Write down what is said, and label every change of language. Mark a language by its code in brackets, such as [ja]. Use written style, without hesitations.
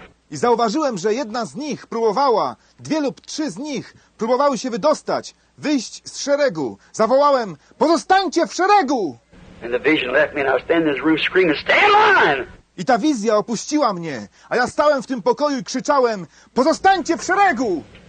[pl] I zauważyłem, że jedna z nich próbowała, dwie lub trzy z nich próbowały się wydostać, wyjść z szeregu. Zawołałem, pozostańcie w szeregu! [en] And the vision left me and I was standing in this room screaming, stay in line! [pl] I ta wizja opuściła mnie, a ja stałem w tym pokoju i krzyczałem: pozostańcie w szeregu!